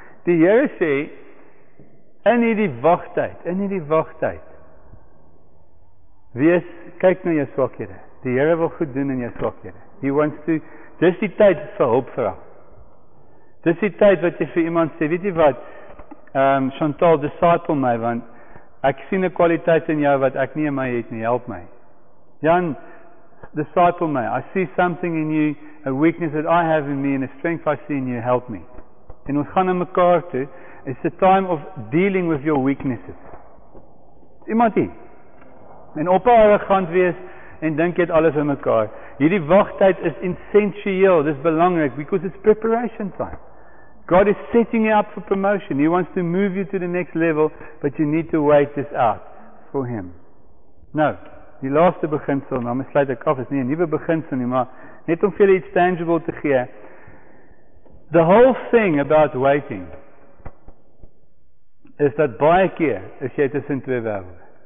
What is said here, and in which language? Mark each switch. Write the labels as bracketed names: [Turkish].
[Afrikaans] Die Here sê, in hierdie wagtyd, wees, kyk na jou swakhede. Die Here wil goed doen in jou swakhede. He wants to, dis die tyd vir hulp vra. Dis die tyd wat jy vir iemand sê, weet jy wat, Chantal, disciple my, want ek sien 'n kwaliteit in jou wat ek nie in my het nie, help my. [English] Jan, disciple my, I see something in you, a weakness that I have in me and a strength I see in you, help me. [Afrikaans] En ons gaan in mekaar toe, [English] it's the time of dealing with your weaknesses. [Afrikaans] Iemand hier? En op haar gaan wees, en dink jy het alles in mekaar. Hierdie wagtyd is essentieel, dis belangrik, [English] because it's preparation time. God is setting you up for promotion. He wants to move you to the next level, but you need to wait this out for Him. [Afrikaans] Nou, die laaste beginsel, nou sluit ek af, is nie 'n nuwe beginsel nie, maar net om vir julle iets tangible te gee. [English] The whole thing about waiting is [Afrikaans] dat baie keer is jy tussen twee werelde.